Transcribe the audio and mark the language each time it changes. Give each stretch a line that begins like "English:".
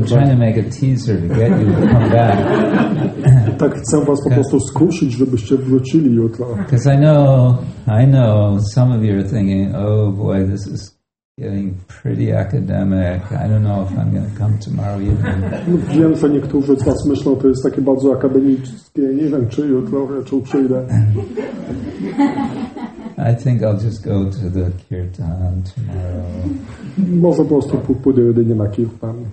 English: I'm trying to make a teaser to get you to come back.
Polish: Tak chcę was po prostu skusić, żebyście wrócili jutro.
English: Because I know some of you are thinking, oh boy, this is getting pretty academic. I don't know if I'm going to come tomorrow evening.
Polish: Wiem, że niektórzy z was myślą, to jest takie bardzo akademickie. Nie wiem, czy jutro, czy przyjdę.
English: I think I'll just go to the kirtan tomorrow.
Polish: Może po prostu pójdę jedynie na kirtan.